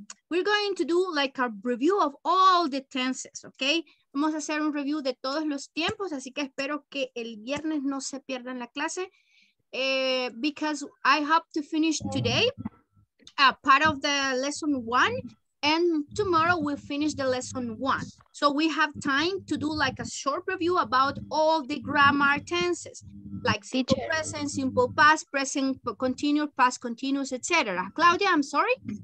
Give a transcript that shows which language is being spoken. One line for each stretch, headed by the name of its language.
English: We're going to do like a review of all the tenses, okay?
Spanish: Vamos a hacer un review de todos los tiempos, así que espero que el viernes no se pierdan la clase.
English: Because I hope to finish today part of the lesson one, and tomorrow we'll finish the lesson one. So we have time to do like a short review about all the grammar tenses, like simple present, simple past, present continuous, past continuous, etc. Claudia, I'm sorry.